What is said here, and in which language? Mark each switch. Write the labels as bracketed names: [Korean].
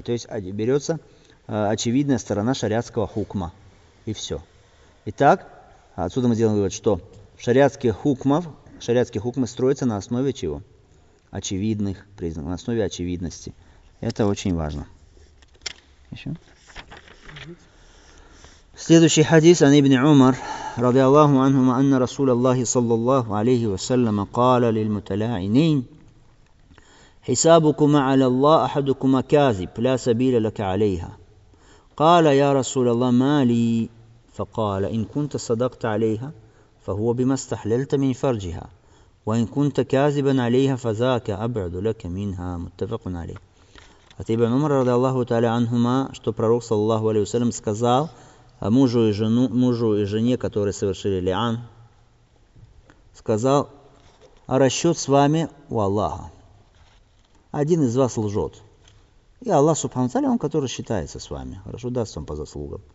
[Russian] То есть берется очевидная сторона шариатского хукма. И все. Итак, отсюда мы делаем вывод, что шариатские хукмы строятся на основе чего? Очевидных признаков, на основе очевидности. Это очень важно. Еще. [Arabic] Следующий хадис от ибн Умар, رضي الله عنهما, أن رسول الله صلى الله عليه وسلم قال للمتلاعنين: حسابكما على الله أحدكما كاذب لا سبيل لك عليها. قال يا رسول الله ما لي؟ فقال: إن كنت صدقت عليها فهو بما استحللت من فرجها، وإن كنت كاذبا عليها فذاك أبعد لك منها. متفق عليه. [Russian] От ибн Умара, [Arabic] رضي الله تعالى عنهما, [Russian] что пророк [Arabic] صلى الله عليه وسلم [Russian] сказал мужу и жене, которые совершили лиан, сказал: а расчет с вами у Аллаха. Один из вас лжет. И Аллах Субхану Тааля, он который считается с вами, хорошо, даст вам по заслугам.